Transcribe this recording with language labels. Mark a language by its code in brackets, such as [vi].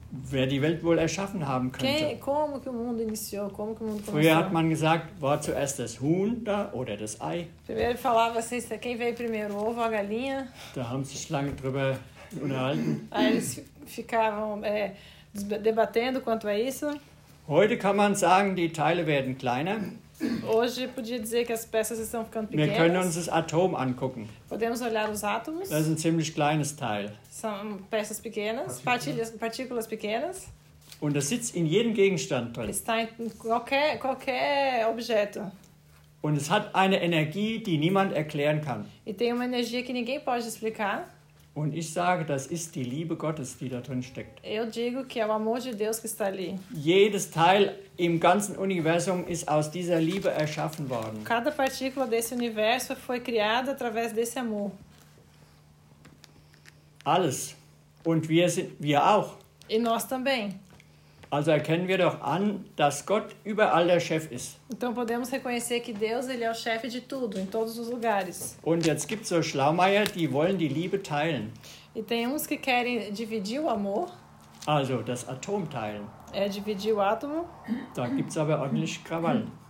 [de] Wer die Welt wohl erschaffen haben könnte. [pt] Como que o mundo iniciou? Como que o mundo começou? [de] Früher hat man gesagt, war zuerst das Huhn da oder das Ei? [pt] Primeiro falava assim, quem veio primeiro, o ovo ou a galinha? [de] Da haben sich lange drüber unterhalten. [pt] Aí eles ficavam debatendo quanto a isso. [de] Heute kann man sagen, die Teile werden kleiner. [pt] Hoje podia dizer que as peças estão ficando pequenas. [de] Wir können uns das Atom angucken. [pt] Podemos olhar os átomos. [de] Das ist ein ziemlich kleines Teil. [pt] São peças pequenas, partículas pequenas. [de] Und das sitzt in jedem Gegenstand drin. [pt] Está em qualquer objeto. [de] Und es hat eine Energie, die niemand erklären kann. [pt] E tem uma energia que ninguém pode explicar. [de] Und ich sage, das ist die Liebe Gottes, die da drin steckt. [pt] Eu digo que é o amor de Deus que está ali. [de] Jedes Teil im ganzen Universum ist aus dieser Liebe erschaffen worden. [pt] Cada partícula desse universo foi criada através desse amor. [de] Alles. Und wir auch. [pt] E nós também. [de] Also erkennen wir doch an, dass Gott überall der Chef ist. [pt] Então podemos reconhecer que Deus ele é o chefe de tudo, em todos os lugares. [de] Und jetzt gibt es so Schlaumeier, die wollen die Liebe teilen. [pt] E tem uns que querem dividir o amor. [de] Also das Atom teilen. [pt] Dividir o átomo. [de] Da gibt es aber ordentlich Krawall.